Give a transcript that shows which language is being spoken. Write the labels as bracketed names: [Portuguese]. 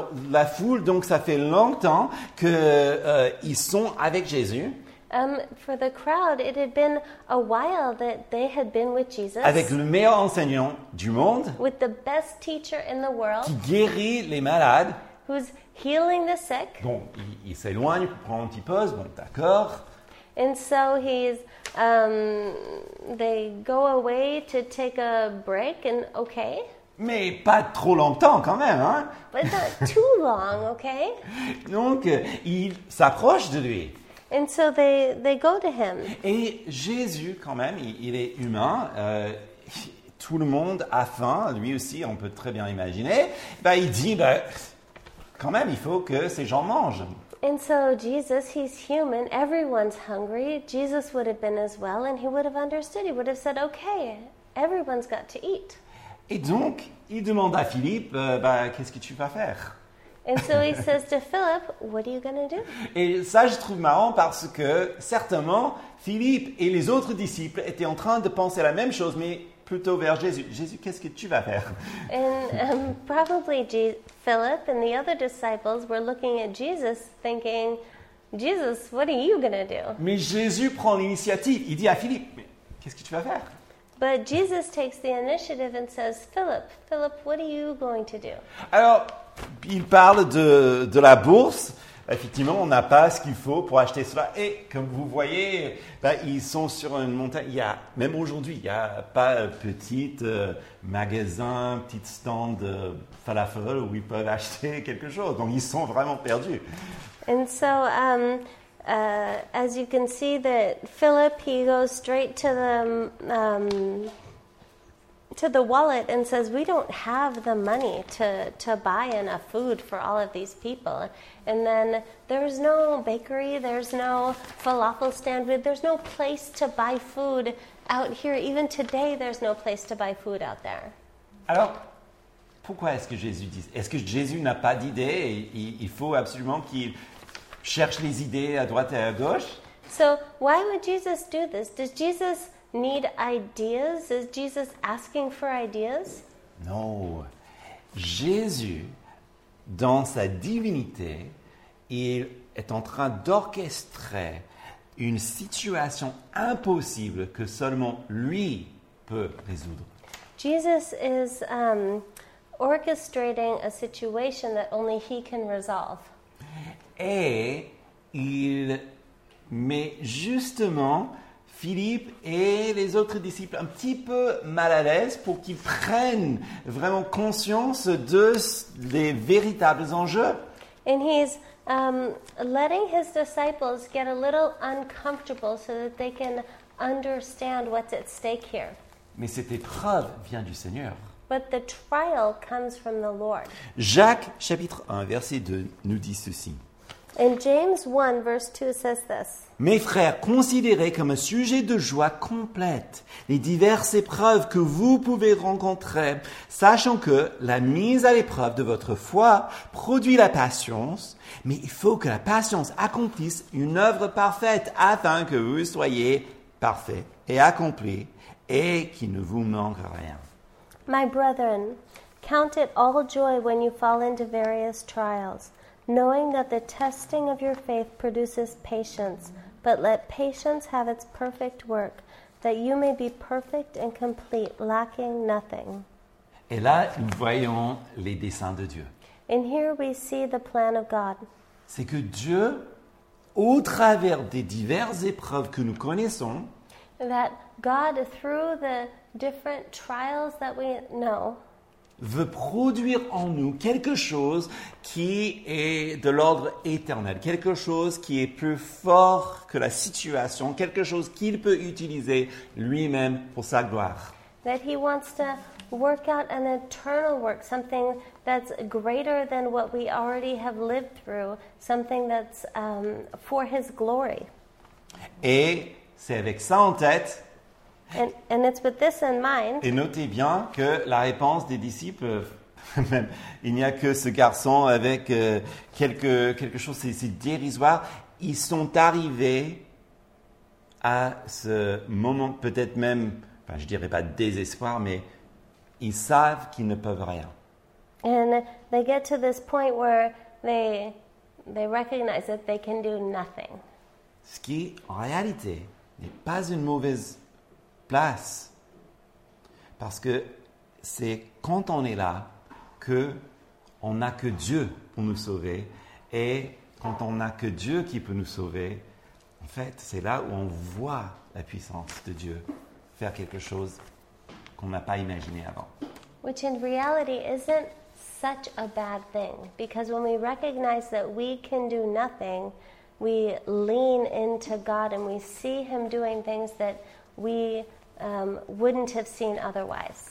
[French] La foule, donc, ça fait longtemps qu'ils sont avec Jésus. [English] For the crowd, it had been a while that they had been with Jesus. [French] Avec le meilleur enseignant du monde. [English] With the best teacher in the world. [French] Qui guérit les malades. [English] Who's healing the sick. [French] Bon, il s'éloigne pour prendre une petite pause. Bon, d'accord. [English] And so he's, they go away to take a break and okay. [French] Mais pas trop longtemps quand même, hein? [English] But not too long, okay? [French] Donc, il s'approche de lui. [English] And so they go to him. [French] Et Jésus, quand même, il est humain. Tout le monde a faim, lui aussi, on peut très bien imaginer. Bah, il dit, bah, quand même, il faut que ces gens mangent. [English] And so Jesus, he's human, everyone's hungry. Jesus would have been as well, and he would have understood. He would have said, okay, everyone's got to eat. [French] Et donc, il demande à Philippe, bah, qu'est-ce que tu vas faire? [English] And so he says to Philip, what are you going to do? [French] Et ça, je trouve marrant parce que certainement, Philippe et les autres disciples étaient en train de penser la même chose, mais plutôt vers Jésus. Jésus, qu'est-ce que tu vas faire? [English] And probably Philip and the other disciples were looking at Jesus thinking, Jesus, what are you going to do? [French] Mais Jésus prend l'initiative. Il dit à Philippe, mais qu'est-ce que tu vas faire? [English] But Jesus takes the initiative and says, Philip, what are you going to do? [French] Alors, il parle de la bourse. Effectivement, on n'a pas ce qu'il faut pour acheter cela. Et comme vous voyez, ben, ils sont sur une montagne. Il y a, même aujourd'hui, il n'y a pas un petit magasin, un petit stand de falafel où ils peuvent acheter quelque chose. Donc, ils sont vraiment perdus. [English] And so, as you can see, that Philip, he goes straight to the wallet and says, we don't have the money to buy enough food for all of these people. And then there's no bakery, there's no falafel stand, there's no place to buy food out here. Even today, there's no place to buy food out there. [French] Alors, pourquoi est-ce que Jésus dit? Est-ce que Jésus n'a pas d'idée? Il faut absolument qu'il cherche les idées à droite et à gauche. [English] So, why would Jesus do this? Does Jesus need ideas? Is Jesus asking for ideas? No. [French] Jésus, dans sa divinité, il est en train d'orchestrer une situation impossible que seulement lui peut résoudre. [English] Jesus is orchestrating a situation that only he can resolve. [French] Et il met justement Philippe et les autres disciples un petit peu mal à l'aise pour qu'ils prennent vraiment conscience des véritables enjeux. [English] And he's letting his disciples get a little uncomfortable so that they can understand what's at stake here. [French] Mais cette épreuve vient du Seigneur. [English] But the trial comes from the Lord. [French] Jacques chapitre 1 verset 2 nous dit ceci. [English] And James 1, verse 2 says this. [French] Mes frères, considérez comme un sujet de joie complète les diverses épreuves que vous pouvez rencontrer, sachant que la mise à l'épreuve de votre foi produit la patience, mais il faut que la patience accomplisse une œuvre parfaite afin que vous soyez parfaits et accomplis et qu'il ne vous manque rien. [English] My brethren, Count it all joy when you fall into various trials, knowing that the testing of your faith produces patience. But let patience have its perfect work, that you may be perfect and complete, lacking nothing. [French] Et là, nous voyons les desseins de Dieu. [English] And here we see the plan of God. [French] C'est que Dieu, au travers des diverses épreuves que nous connaissons, [English] that God, through the different trials that we know, [French] veut produire en nous quelque chose qui est de l'ordre éternel, quelque chose qui est plus fort que la situation, quelque chose qu'il peut utiliser lui-même pour sa gloire. [English] That he wants to work out an eternal work, something that's greater than what we already have lived through, something that's for his glory. [French] Et c'est avec ça en tête. [English] And it's with this in mind. [French] Et notez bien que la réponse des disciples, même, il n'y a que ce garçon avec quelque chose, c'est dérisoire. Ils sont arrivés à ce moment, peut-être même, enfin, je dirais pas désespoir, mais ils savent qu'ils ne peuvent rien. [English] And they get to this point where they recognize that they can do nothing. [French] Ce qui, en réalité, n'est pas une mauvaise place, parce que c'est quand on est là que on n'a que Dieu pour nous sauver, et quand on n'a que Dieu qui peut nous sauver, en fait, c'est là où on voit la puissance de Dieu faire quelque chose qu'on n'a pas imaginé avant. [English] Which in reality isn't such a bad thing, because when we recognize that we can do nothing, we lean into God and we see Him doing things that we wouldn't have seen otherwise.